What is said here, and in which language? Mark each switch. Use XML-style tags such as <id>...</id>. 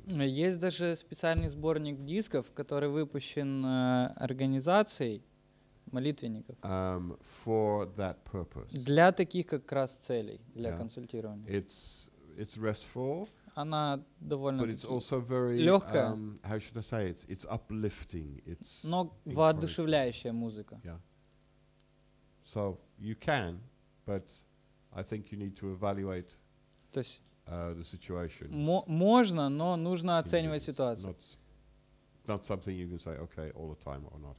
<ru>Есть даже специальный сборник дисков, который выпущен организацией молитвенников.</ru> <en>For that purpose.</en> <ru>Для таких как раз целей для консультирования.</ru> <en>It's restful.</en> <ru>Она довольно</ru> <en>but it's also very,</en> <ru>легкая.</ru> <en>How should I say it? It's uplifting. It's</en> <ru>но воодушевляющая музыка.</ru> <en>Yeah. So you can, but I think you need to evaluate the situation.</en> <ru>Можно, но нужно оценивать ситуацию.</ru> <en>Not something you can say okay all the time or not.</en>